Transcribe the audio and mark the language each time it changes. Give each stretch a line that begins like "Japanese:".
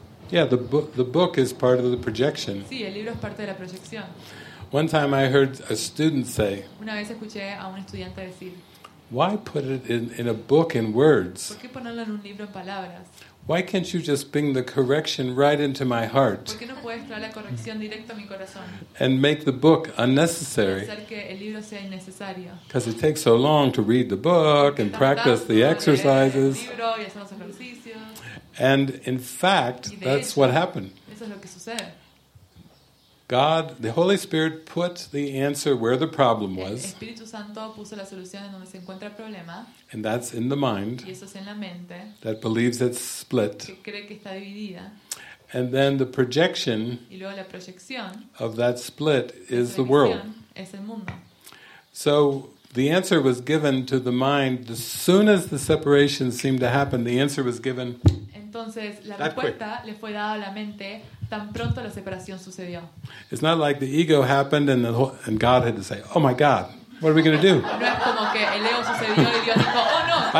English: Yeah, the book is part of the projection.
Spanish: Sí, el libro es parte de la proyección.
English: One time I heard a student say.
Spanish: Una vez escuché a un estudiante decir.
English: Why put it in a book in words?
Spanish: ¿Por qué ponerlo en un libro en palabras?
English: Why can't you just bring the correction right into my heart?
Spanish: ¿Por qué no puedes traer la corrección directo a mi corazón?
English: And make the book unnecessary.
Spanish: Hacer que el libro sea innecesario.
English: Because it takes so long to read the book and practice the exercises.
Spanish: El libro y hacer los ejercicios.
English: And in fact, that's what happened.
Spanish: Eso es lo que sucede.
English: God, the Holy Spirit put the answer where the problem was.
Spanish: El Espíritu Santo puso la solución en donde se encuentra el problema.
English: And that's in the mind.
Spanish: Y eso es en la mente.
English: That believes it's split.
Spanish: Que cree que está dividida.
English: And then the projection.
Spanish: Y luego la proyección.
English: Of that split is the world.
Spanish: Es el mundo.
English: So the answer was given to the mind as soon as the separation seemed to happen. The answer was given.
Spanish: Entonces la respuesta le fue dada a la mente. Tan pronto la separación sucedió.
English: It's not like the ego happened and the whole, and God had to say, "Oh my God, what are we going to do?"
Spanish: No es como que el ego sucedió y Dios dijo, "Oh no."